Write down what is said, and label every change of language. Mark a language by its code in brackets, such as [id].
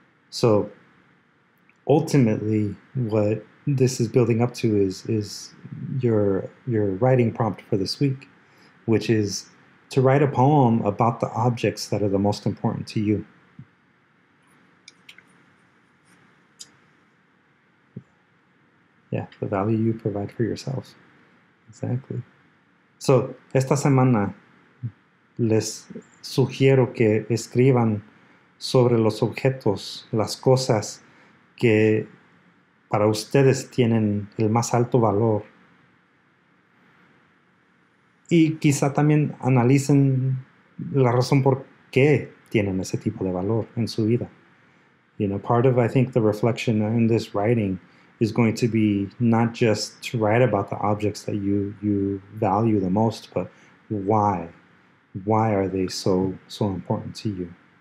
[en] So, ultimately, what this is building up to is your writing prompt for this week, which is to write a poem about the objects that are the most important to you. Yeah, the value you provide for yourself. Exactly. [es] So, esta semana les sugiero que escriban sobre los objetos, las cosas que para ustedes tienen el más alto valor. Y quizá también analicen la razón por qué tienen ese tipo de valor en su vida. [en] You know, part of, I think, the reflection in this writing is going to be not just to write about the objects that you value the most, but why. Why are they so important to you?